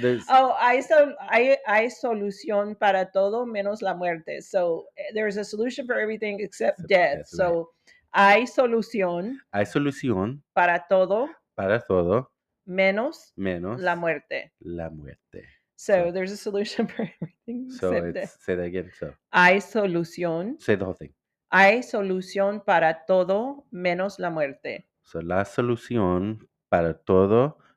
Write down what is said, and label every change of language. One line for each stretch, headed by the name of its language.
Spanish: Oh, hay solución para todo menos la muerte.
English: So there's a solution for everything except death. Right. So
Spanish: hay solución para todo menos la muerte. La muerte.
English: So there's a solution for everything except death. Say that again. So
Spanish: hay solución.
English: Say the whole thing.
Spanish: Hay solución para todo menos la muerte. So la solución para todo.